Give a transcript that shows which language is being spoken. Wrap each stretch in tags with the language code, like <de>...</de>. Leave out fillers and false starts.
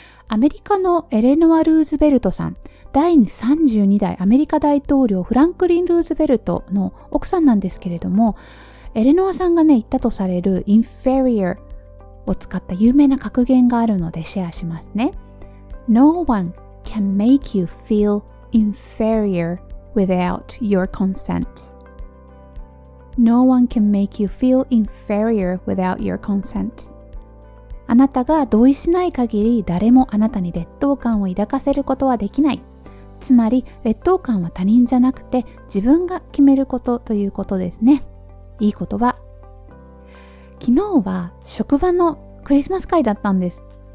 <ja>アメリカのエレノア・ルーズベルトさん、第32代アメリカ大統領フランクリン・ルーズベルトの奥さんなんですけれども、エレノアさんがね、言ったとされる inferior を使った有名な格言があるのでシェアしますね。</ja> <en>No one can make you feel inferior without your consent. No one can make you feel inferior without your consent.</en> <ja>あなたが同意しない限り誰もあなたに劣等感を抱かせることはできない。つまり劣等感は他人じゃなくて自分が決めることということですね。いい言葉。昨日は職場のクリスマス会だったんです。</ja>